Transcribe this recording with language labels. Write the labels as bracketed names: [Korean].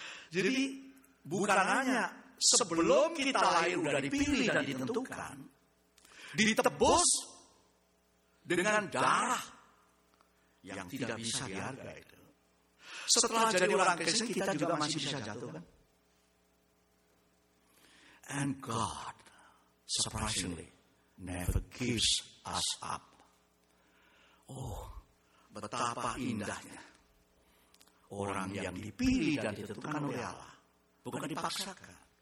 [Indonesian] Jadi bukan hanya sebelum kita lahir sudah dipilih dan ditentukan, ditebus dengan darah yang tidak bisa dihargai. Setelah jadi orang Kristen, kita juga masih bisa jatuh, kan? [English] And God, surprisingly, never gives us up. [Indonesian] Oh, betapa indahnya orang yang dipilih dan ditentukan oleh Allah, bukan dipaksakan.